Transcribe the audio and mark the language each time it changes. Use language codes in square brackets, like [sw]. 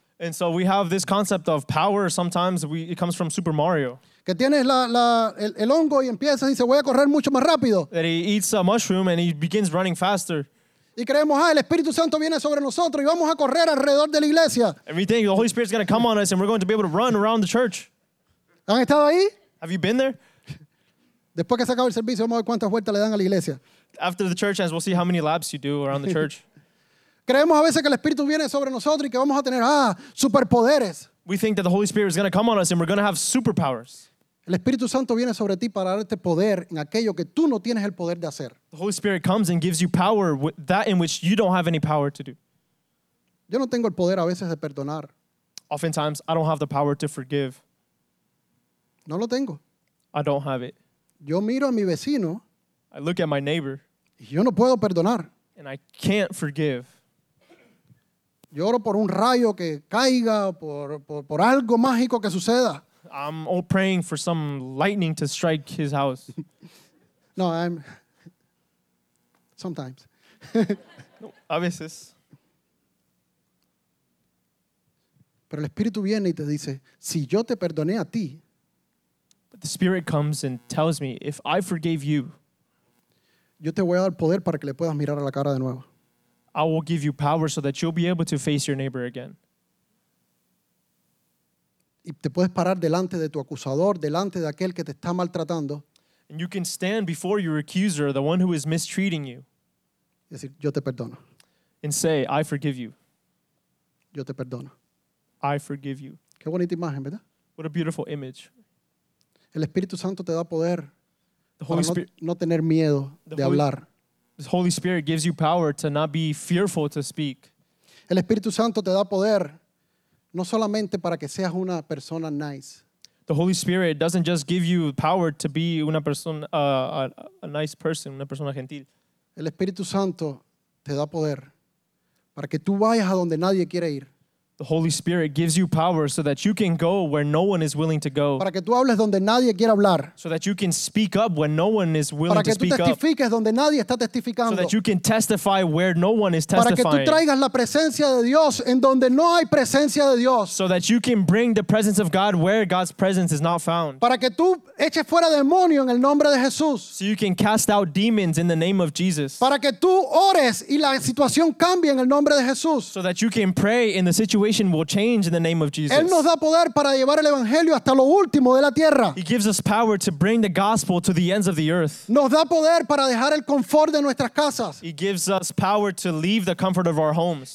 [en] And so we have this concept of power. Sometimes it comes from Super Mario. [es] Que tienes el hongo y empiezas y dice voy a correr mucho más rápido. [en] That he eats a mushroom and he begins running faster. [es] Y creemos, el Espíritu Santo viene sobre nosotros y vamos a correr alrededor de la iglesia. [en] And we think the Holy Spirit is going to come on us and we're going to be able to run around the church. [es] ¿Han estado ahí? [en] Have you been there? [es] Después que se acabe el servicio, vamos a ver cuántas vueltas le dan a la iglesia. [en] After the church ends, we'll see how many laps you do around the church. [es] Creemos a veces que el Espíritu viene sobre nosotros y que vamos a tener, superpoderes. [en] We think that the Holy Spirit is going to come on us and we're going to have superpowers. [es] El Espíritu Santo viene sobre ti para darte poder en aquello que tú no tienes el poder de hacer. [en] The Holy Spirit comes and gives you power that in which you don't have any power to do. [es] Yo no tengo el poder a veces de perdonar. [en] Oftentimes, I don't have the power to forgive. [es] No lo tengo. [en] I don't have it. [es] Yo miro a mi vecino. [en] I look at my neighbor. [es] Y yo no puedo perdonar. [en] And I can't forgive. [es] Yo oro por un rayo que caiga, por algo mágico que suceda. [en] I'm all praying for some lightning to strike his house. No, I'm... Sometimes. [es] No, a veces. Pero el Espíritu viene y te dice, si yo te perdoné a ti. [en] But the Spirit comes and tells me, if I forgave you, [es] yo te voy a dar poder para que le puedas mirar a la cara de nuevo. [en] I will give you power so that you'll be able to face your neighbor again. [es] Y te puedes parar delante de tu acusador, delante de aquel que te está maltratando. [en] And you can stand before your accuser, the one who is mistreating you. [es] Y decir, yo te perdono. [en] And say, I forgive you. [es] Yo te perdono. [en] I forgive you. [es] Qué bonita imagen, ¿verdad? [en] What a beautiful image. [es] El Espíritu Santo te da poder para no tener miedo de hablar. [en] The Holy Spirit gives you power to not be fearful to speak. [es] El Espíritu Santo te da poder no solamente para que seas una persona nice. [en] The Holy Spirit doesn't just give you power to be [es] una persona, [en] a nice person, [es] una persona gentil. El Espíritu Santo te da poder para que tú vayas a donde nadie quiere ir. [en] The Holy Spirit gives you power so that you can go where no one is willing to go. [es] Para que tú hables donde nadie quiere hablar. [en] So that you can speak up when no one is willing to speak up. [es] Para que tú testifiques donde nadie está testificando. [en] So that you can testify where no one is testifying. [es] Para que tú traigas la presencia de Dios en donde no hay presencia de Dios. [en] So that you can bring the presence of God where God's presence is not found. [es] Para que tú eches fuera demonio en el nombre de Jesús. [en] So you can cast out demons in the name of Jesus. [es] Para que tú ores y la situación cambie en el nombre de Jesús. [en] So that you can pray in the situation will change in the name of Jesus. [es] Él nos da poder para llevar el evangelio hasta lo último de la tierra. [en] He gives us power to bring the gospel to the ends of the earth. [es] Nos da poder para dejar el confort de nuestras casas. [en] He gives us power to leave the comfort of our homes.